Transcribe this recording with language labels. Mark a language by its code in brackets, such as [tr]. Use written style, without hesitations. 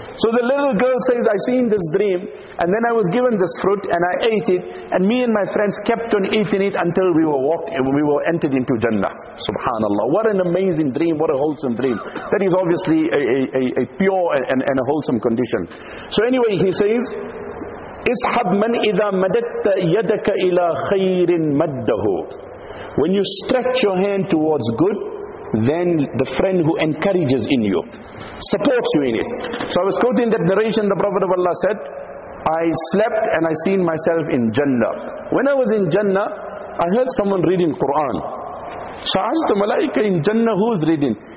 [en] So the little girl says, I seen this dream, and then I was given this fruit and I ate it, and me and my friends kept on eating it until we were entered into Jannah. Subhanallah. What an amazing dream, what a wholesome dream. That is obviously a pure and a wholesome condition. So anyway, he says, [ar] اسحب من إذا مددت يدك إلى خير مده. [en] When you stretch your hand towards good, then the friend who encourages in you, supports you in it. So I was quoting that narration, the Prophet of Allah said, I slept and I seen myself in Jannah. When I was in Jannah, I heard someone reading Quran. So I asked the Malaika in Jannah, who's reading?